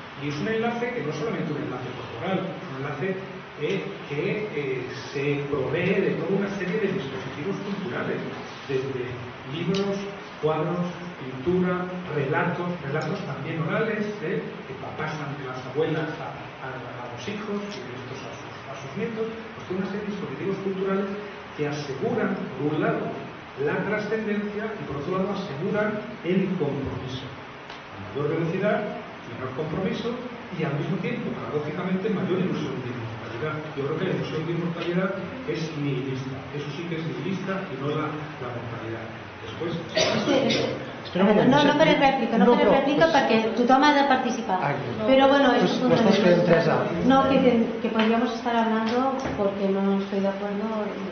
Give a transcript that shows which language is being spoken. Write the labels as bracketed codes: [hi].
[es] Y es un enlace que no solamente un enlace corporal, es un enlace que se provee de toda una serie de dispositivos culturales, desde libros, cuadros, pintura, relatos también orales, que pasan de las abuelas a los hijos y de estos a sus nietos, pues toda una serie de dispositivos culturales que aseguran, por un lado, la trascendencia y por otro lado aseguran el compromiso. A mayor velocidad, menor compromiso y al mismo tiempo, paradójicamente, mayor ilusión de inmortalidad. Yo creo que la ilusión de inmortalidad es nihilista. Eso sí que es nihilista y no la mortalidad. Después. [ca] No, no faré réplica perquè tothom ha de participar. Però bueno, és un punt de vista. [es] No, que podríamos estar hablando porque no estoy de acuerdo.